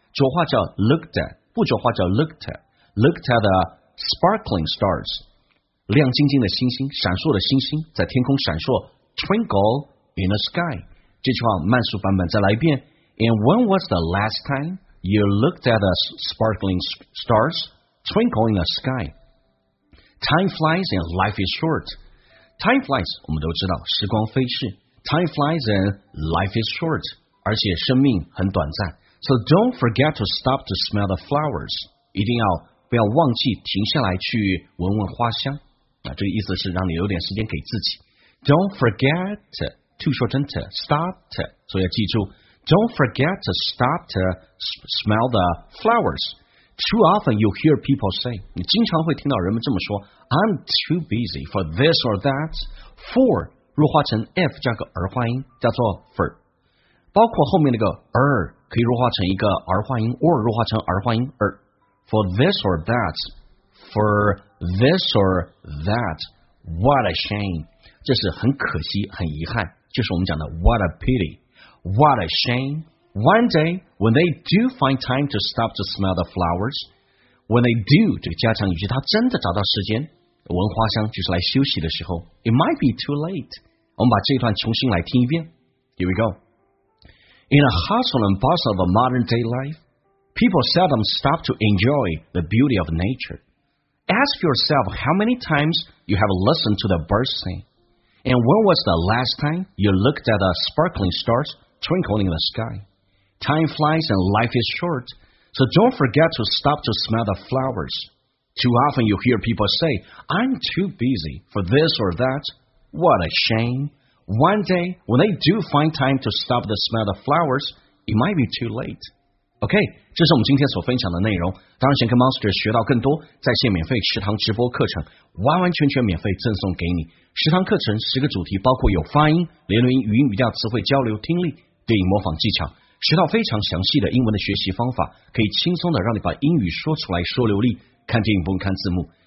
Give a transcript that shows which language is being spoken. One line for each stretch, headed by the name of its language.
Chinese: 浊化叫
English: looked at,
Chinese: 不浊化叫
English: looked at, looked at the sparkling stars,
Chinese: 亮晶晶的星星闪烁的星星在天空闪烁
English: twinkle in the sky, 这句话慢速版本再来一遍 and when was the last time you looked at the sparkling stars, twinkle in the sky, time flies and life is short, time flies,
Chinese: 我们都知道时光飞逝
English: time flies and life is short,
Chinese: 而且生命很短暂
English: So don't forget to stop to smell the flowers.
Chinese: 一定要不要忘记停下来去闻闻花香。啊，这个意思是让你留点时间给自己。
English: Don't forget to shorten to stop to.
Chinese: 所以要记住
English: ，Don't forget to stop to smell the flowers. Too often you hear people say.
Chinese: 你经常会听到人们这么说。
English: I'm too busy for this or that. For
Chinese: 弱化成 f 加个儿化音，叫做
English: for。
Chinese: 包括后面那个 er 可以弱化成一个儿化音 or 弱化成儿化音 er
English: for this or that for this or that what a shame
Chinese: 这是很可惜很遗憾就是我们讲的
English: what a pity What a shame. One day, when they do find time to stop to smell the flowers, when they do,
Chinese: 这个加强语句，他真的找到时间闻花香，就是来休息的时候，
English: it might be too late.
Chinese: 我们把这段重新来听一遍。
English: Here we go. In a hustle and bustle of a modern day life, people seldom stop to enjoy the beauty of nature. Ask yourself how many times you have listened to the birds sing, and when was the last time you looked at the sparkling stars twinkling in the sky? Time flies and life is short, so don't forget to stop to smell the flowers. Too often you hear people say, I'm too busy for this or that. What a shame. One day, when they do find time to stop to smell the flowers, it might be too late.
Chinese: OK, 这是我们今天所分享的内容。当然想跟 Monster 学到更多，在线免费食堂直播课程完完全全免费赠送给你。食堂课程十个主题，包括有发音、连轮音、语音语调、词汇交流、听力、电影模仿技巧，学到非常详细的英文的学习方法，可以轻松的让你把英语说出来说流利，看电影不用看字幕。